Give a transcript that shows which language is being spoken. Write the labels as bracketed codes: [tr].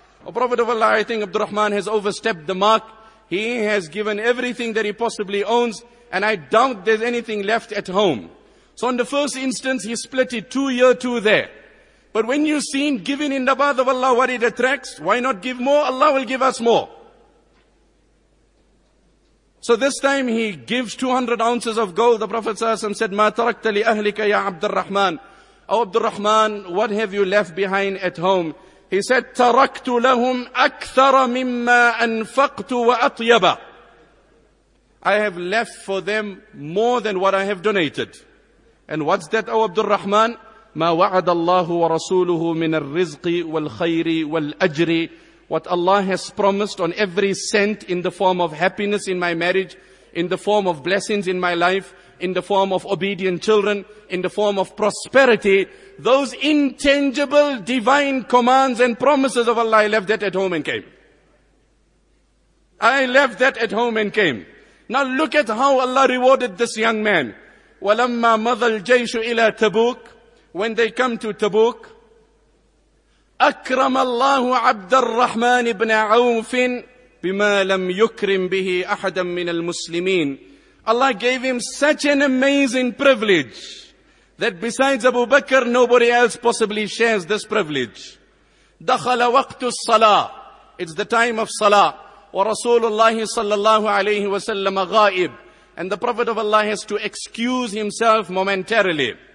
[en] O Prophet of Allah, I think Abdul Rahman has overstepped the mark. He has given everything that he possibly owns and I doubt there's anything left at home. So in the first instance, he split it 2 year, two there. But when you see him giving in the bath of Allah what it attracts, why not give more? Allah will give us more. So this time he gives 200 ounces of gold. The Prophet ﷺ said, [ar] مَا تَرَكْتَ لِأَهْلِكَ يَا عَبْدُ الرَّحْمَنِ. [en] O Abdul Rahman, what have you left behind at home? He said, [ar] تَرَكْتُ لَهُمْ أَكْثَرَ مِمَّا أَنْفَقْتُ وَأَطْيَبَ. [en] I have left for them more than what I have donated. And what's that, O Abdul Rahman? [ar] مَا وَعَدَ اللَّهُ وَرَسُولُهُ مِنَ الرِّزْقِ وَالْخَيْرِ وَالْأَجْرِ. [en] What Allah has promised on every cent in the form of happiness in my marriage, in the form of blessings in my life, in the form of obedient children, in the form of prosperity, those intangible divine commands and promises of Allah, I left that at home and came. I left that at home and came. Now look at how Allah rewarded this young man. [ar] وَلَمَّا مَضَى الْجَيْشُ إِلَىٰ تَبُوكُ. [en] When they come to Tabuk, [ar] أكرم الله عبد الرحمن بن عوف بما لم يكرم به أحدا من المسلمين. [en] Allah gave him such an amazing privilege that besides Abu Bakr, nobody else possibly shares this privilege. [ar] دخل وقت الصلاة. [en] It's the time of salah. [ar] ورسول الله صلى الله عليه وسلم غائب. [en] And the Prophet of Allah has to excuse himself momentarily.